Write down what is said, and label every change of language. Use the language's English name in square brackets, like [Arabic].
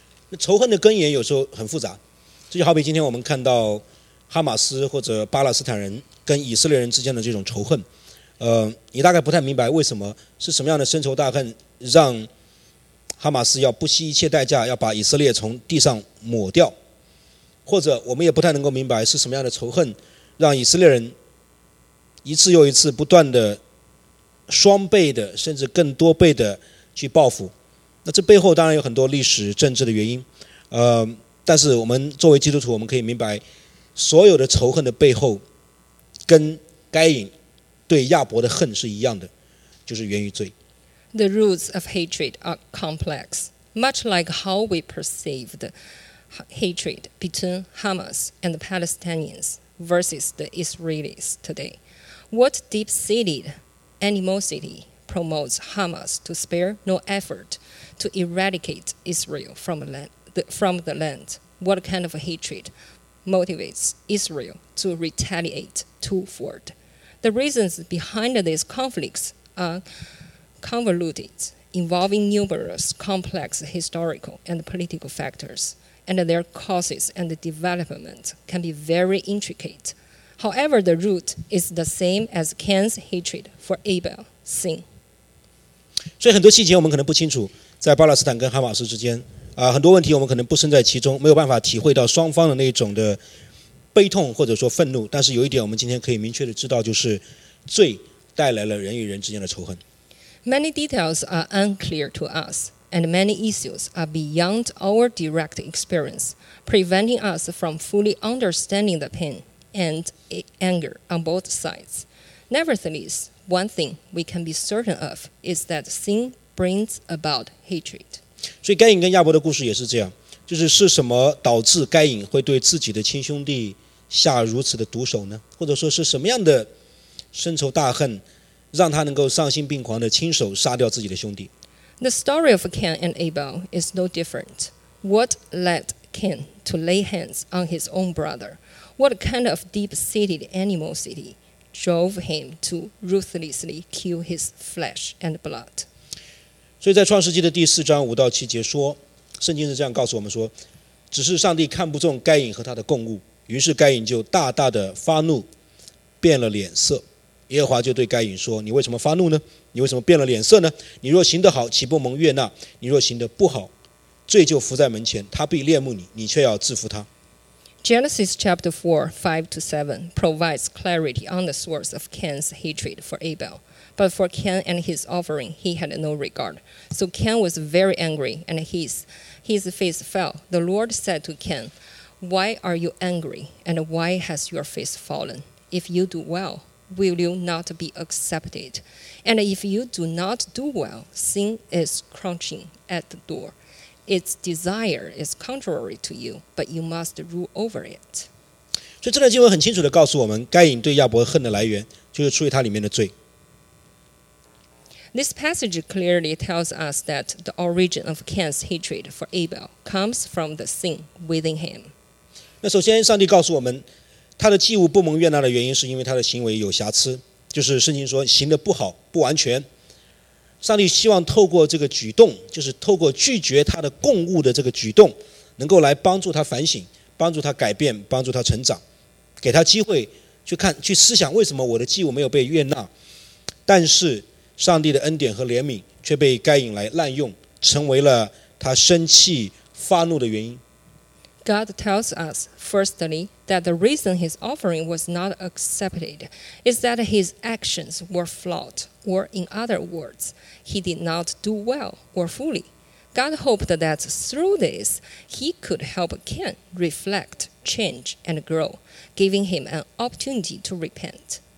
[Chinese] 那仇恨的根源有时候很复杂，这就好比今天我们看到哈马斯或者巴勒斯坦人跟以色列人之间的这种仇恨，你大概不太明白为什么是什么样的深仇大恨让哈马斯要不惜一切代价要把以色列从地上抹掉，或者我们也不太能够明白是什么样的仇恨让以色列人一次又一次不断的双倍的甚至更多倍的去报复。那这背后当然有很多历史政治的原因，但是我们作为基督徒，我们可以明白所有的仇恨的背后跟该隐对亚伯的恨是一样的，就是源于罪。 [English] The roots of hatred are complex, much like how we perceive the hatred between Hamas and the Palestinians versus the Israelis today. What deep-seated animosity promotes Hamas to spare no effort to eradicate Israel from the land? What kind of hatred motivates Israel to retaliate twofold? The reasons behind these conflicts are convoluted, involving numerous complex historical and political factors, and their causes and development can be very intricate. However, the root is the same as Cain's hatred for Abel, sin. [Chinese] 所以很多细节我们可能不清楚，在巴勒斯坦跟哈马斯之间，很多问题我们可能不身在其中，没有办法体会到双方的那种的悲痛或者说愤怒。但是有一点我们今天可以明确的知道，就是罪带来了人与人之间的仇恨。 [English] Many details are unclear to us, and many issues are beyond our direct experience, preventing us from fully understanding the pain and anger on both sides. Nevertheless, one thing we can be certain of is that sin brings about hatred. [Chinese] 所以该隐跟亚伯的故事也是这样，就是什么导致该隐会对自己的亲兄弟下如此的毒手呢？或者说是什么样的深仇大恨让他能够丧心病狂地亲手杀掉自己的兄弟。 [English] The story of Cain and Abel is no different. What led Cain to lay hands on his own brother? What kind of deep-seated animosity drove him to ruthlessly kill his flesh and blood? [Chinese] 所以在创世纪的第四章五到七节说，圣经是这样告诉我们说，只是上帝看不中该隐和他的共物，于是该隐就大大的发怒，变了脸色。耶和华就对该隐说，你为什么发怒呢？你为什么变了脸色呢？你若行得好，岂不蒙悦纳？你若行得不好，罪就伏在门前，他必恋慕你，你却要制服他。 [English] Genesis chapter 4, 5 to 7 provides clarity on the source of Cain's hatred for Abel. But for Cain and his offering, he had no regard. So Cain was very angry, and his face fell. The Lord said to Cain, Why are you angry, and why has your face fallen? If you do well, will you not be accepted. And if you do not do well, sin is crouching at the door. Its desire is contrary to you, but you must rule over it. [Chinese] 所以这段经文很清楚地告诉我们，该隐对亚伯恨的来源，就是出于他里面的罪。 [English] This passage clearly tells us that the origin of Cain's hatred for Abel comes from the sin within him. [Chinese] 那首先上帝告诉我们，他的祭物不蒙悦纳的原因是因为他的行为有瑕疵，就是圣经说行得不好，不完全。上帝希望透过这个举动，就是透过拒绝他的供物的这个举动，能够来帮助他反省，帮助他改变，帮助他成长，给他机会去看，去思想为什么我的祭物没有被悦纳，但是上帝的恩典和怜悯却被该隐来滥用，成为了他生气发怒的原因。 [English] God tells us, firstly, that the reason his offering was not accepted is that his actions were flawed, or in other words, he did not do well or fully. God hoped that through this, he could help Cain reflect, change, and grow, giving him an opportunity to repent.